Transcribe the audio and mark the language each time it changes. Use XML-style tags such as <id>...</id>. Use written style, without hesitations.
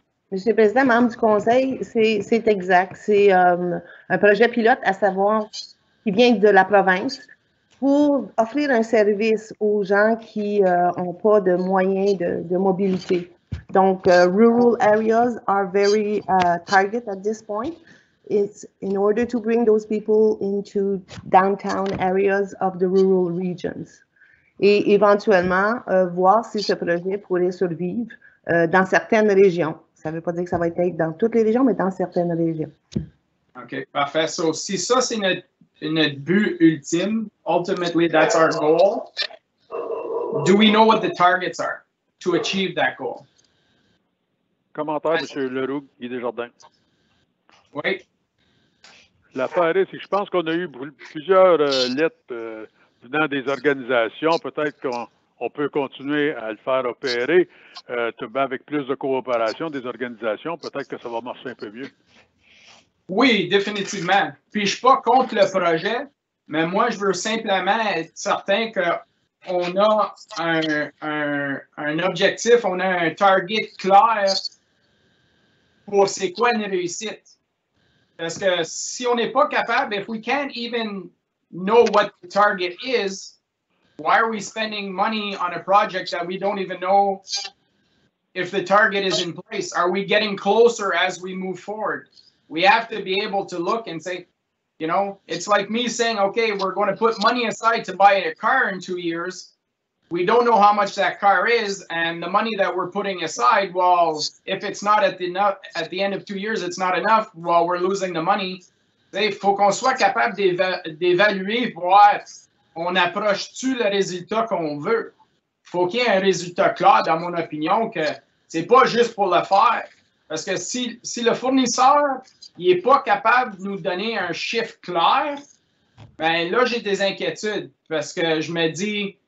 <fr>Monsieur le Président, membre du Conseil, c'est exact. C'est un projet pilote, à savoir, qui vient de la province, pour offrir un service aux gens qui n'ont pas de moyens de mobilité.</fr> <en>Donc, rural areas are very target at this point. It's in order to bring those people into downtown areas of the rural regions.</en> <fr>Et éventuellement, voir si ce projet pourrait survivre dans certaines régions. Ça ne veut pas dire que ça va être dans toutes les régions, mais dans certaines régions. OK, parfait.</fr> <en>So,</en> <fr>si ça, c'est notre but ultime,</fr> <en>ultimately, that's our goal, do we know what the targets are to achieve that goal?</en> <fr>Commentaire, M. Leroux, Guy Desjardins. Oui. L'affaire est, c'est que je pense qu'on a eu plusieurs lettres venant des organisations. Peut-être qu'on peut continuer à le faire opérer, tout avec plus de coopération des organisations. Peut-être que ça va marcher un peu mieux. Oui, définitivement. Puis je ne suis pas contre le projet, mais moi, je veux simplement être certain qu'on a un objectif, on a un target clair. Pour c'est quoi une réussite? Parce que si on n'est pas capable,</fr> <en>if we can't even know what the target is, why are we spending money on a project that we don't even know if the target is in place? Are we getting closer as we move forward? We have to be able to look and say, you know, it's like me saying, okay, we're going to put money aside to buy a car in 2 years. We don't know how much that car is, and the money that we're putting aside, well, if it's not at the end of 2 years, it's not enough, well, we're losing the money.</en> <fr>Il faut qu'on soit capable d'évaluer, voir, on approche-tu le résultat qu'on veut. Il faut qu'il y ait un résultat clair, dans mon opinion, que c'est pas juste pour le faire. Parce que si le fournisseur n'est pas capable de nous donner un chiffre clair, ben là, j'ai des inquiétudes, parce que je me dis...</fr>